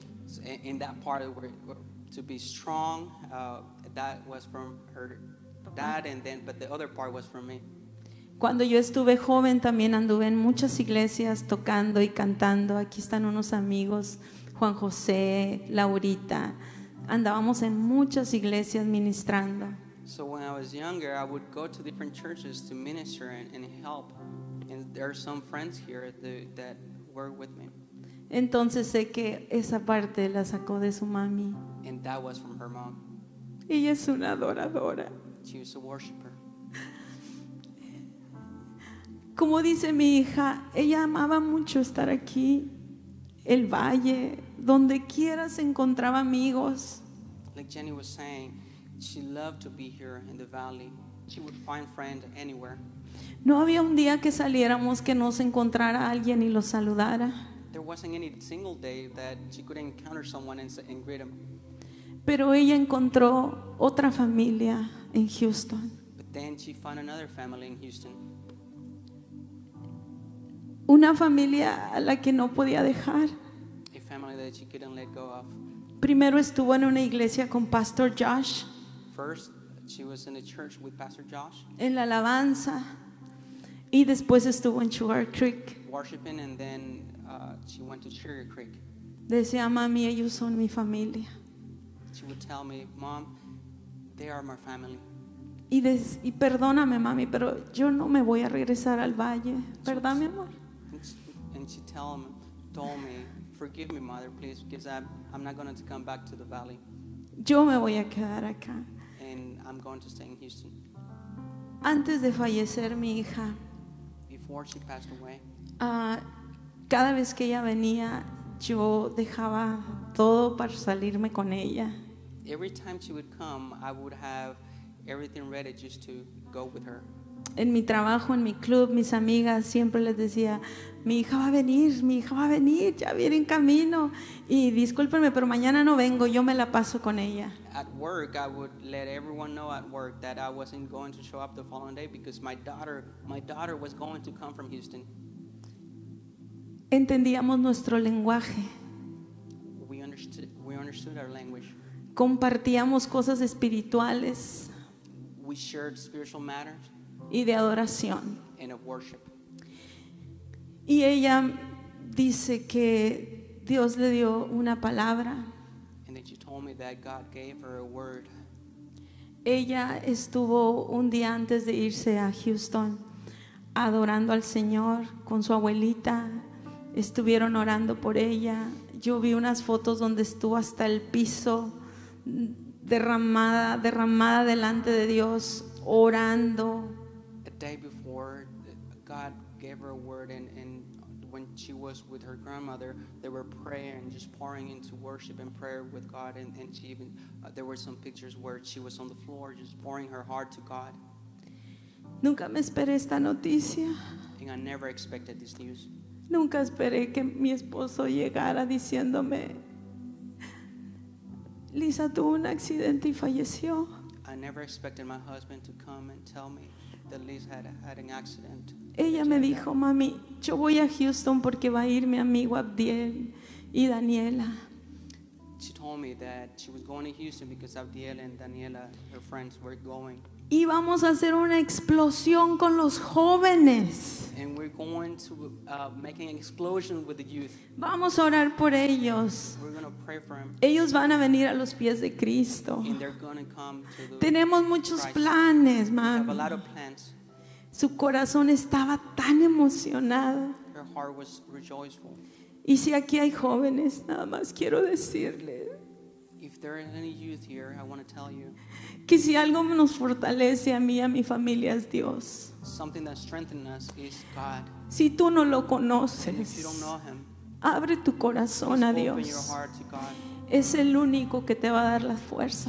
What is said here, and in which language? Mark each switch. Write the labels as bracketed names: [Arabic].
[English] So in that part where to be strong, that was from her dad, and then but the other part was from me. [Spanish] Cuando yo estuve joven también anduve en muchas iglesias tocando y cantando. Aquí están unos amigos, Juan José, Laurita. Andábamos en muchas iglesias ministrando. [English] So when I was younger, I would go to different churches to minister and help. And there are some friends here that work with me. [Spanish] Entonces sé que esa parte la sacó de su mami. [English] And that was from her mom. [Spanish] Ella es una adoradora. [English] She was a worshiper. [Spanish] Como dice mi hija, ella amaba mucho estar aquí, el valle, donde quiera se encontraba amigos. [English] Like Jenny was saying, she loved to be here in the valley. She would find friends anywhere. [Spanish] No había un día que saliéramos que no se encontrara alguien y lo saludara. [English] There wasn't any single day that she couldn't encounter someone and greet him. [Spanish] Pero ella encontró otra familia en Houston. [English] But then she found another family in Houston. [Spanish] Una familia a la que no podía dejar. [English] A family that she couldn't let go of. [Spanish] Primero estuvo en una iglesia con Pastor Josh. [English] First, she was in a church with Pastor Josh. [Spanish] En la alabanza. Y después estuvo en Sugarcreek. [English] Worshiping, and then she went to Sugarcreek. [Spanish] Decía, mami, ellos son mi familia. [English] She would tell me, mom, they are my family. [Spanish] Y perdóname, mami, pero yo no me voy a regresar al valle. ¿Verdad, mi amor? [English] And she told me, forgive me, mother, please, because I'm not going to come back to the valley. [Spanish] Yo me voy a quedar acá. [English] And I'm going to stay in Houston. [Spanish] Antes de fallecer mi hija, [English] before she passed away, [Spanish] cada vez que ella venía, yo dejaba todo para salirme con ella. [English] Every time she would come, I would have everything ready just to go with her. [Spanish] En mi trabajo, en mi club, mis amigas siempre les decía, mi hija va a venir, ya viene en camino. Y discúlpenme, pero mañana no vengo, yo me la paso con ella. [English] At work, I would let everyone know at work that I wasn't going to show up the following day because my daughter was going to come from Houston. [Spanish] Entendíamos nuestro lenguaje. [English] We understood our language. [Spanish] Compartíamos cosas espirituales. [English] We shared spiritual matters. [Spanish] Y de adoración. [English] And of worship. [Spanish] Y ella dice que Dios le dio una palabra. [English] And then she told me that God gave her a word. [Spanish] Ella estuvo un día antes de irse a Houston adorando al Señor con su abuelita. Estuvieron orando por ella. Yo vi unas fotos donde estuvo hasta el piso derramada delante de Dios, orando. [English] The day before, God gave her a word, and when she was with her grandmother, they were praying, just pouring into worship and prayer with God, and she even there were some pictures where she was on the floor just pouring her heart to God. [Spanish] Nunca me esperé esta noticia. [English] And I never expected this news. [Spanish] Nunca esperé que mi esposo llegara diciéndome, Lisa tuvo un accidente y falleció. [English] I never expected my husband to come and tell me that Lisa had had an accident. [Spanish] Ella me dijo, mami, yo voy a Houston porque va a ir mi amigo Abdiel y Daniela. [English] She told me that she was going to Houston because Abdiel and Daniela, her friends, were going. [Spanish] Y vamos a hacer una explosión con los jóvenes. [English] And we're going to make an explosion with the youth. [Spanish] Vamos a orar por ellos. [English] We're going to pray for them. [Spanish] Ellos van a venir a los pies de Cristo. [English] And they're going to come to the [Spanish] Tenemos muchos [English] Christ. [Spanish] Planes, mami. [English] We have a lot of plans. [Spanish] Su corazón estaba tan emocionado. [English] Her heart was rejoiceful. [Spanish] Y si aquí hay jóvenes, nada más quiero decirles. [English] If there are any youth here, I want to tell you. [Spanish] Que si algo nos fortalece a mí y a mi familia es Dios. [English] Something that strengthens us is God. [Spanish] Si tú no lo conoces, [English] if you don't know him, [Spanish] abre tu corazón a Dios. [English] Open your heart to God. [Spanish] Es el único que te va a dar la fuerza.